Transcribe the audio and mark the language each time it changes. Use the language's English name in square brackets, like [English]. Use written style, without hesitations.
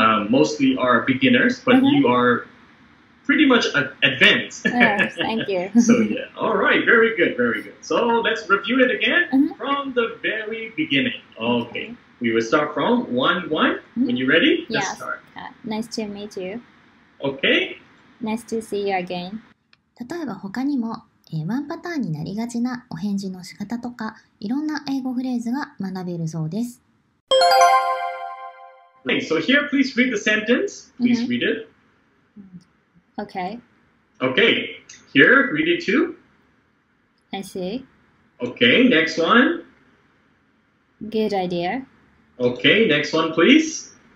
[English] mostly are beginners, but you are pretty much advanced. Yes, thank you. So, yeah. All right. Very good. Very good. So, let's review it again from the very beginning. Okay. We will start from 1-1. When you're ready, let's start. Nice to meet you. Okay. Nice to see you again. [Japanese] 例えば他にも、ワンパターンになりがちなお返事の仕方とか、いろんな英語フレーズが学べるそうです。 [English] Okay, so here, please read the sentence. Please read it. Okay. Okay. Here, read it too. I see. Okay, next one. Good idea. Okay, next one, please.